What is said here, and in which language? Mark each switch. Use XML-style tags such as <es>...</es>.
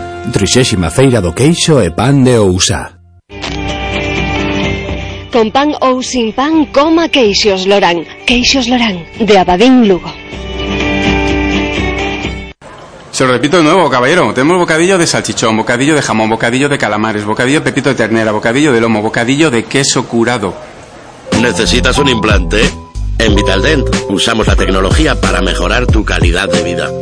<gl>30ª feira do queixo e pan de Ousá. Con pan ou sin pan, coma queixos Lorán. Queixos Lorán, de Abadín, Lugo.</gl> <es>Se lo repito de nuevo, caballero. Tenemos bocadillo de salchichón, bocadillo de jamón, bocadillo de calamares, bocadillo de pepito de ternera, bocadillo de lomo, bocadillo de queso curado. ¿Necesitas un implante? En Vitaldent usamos la tecnología para mejorar tu calidad de vida.</es>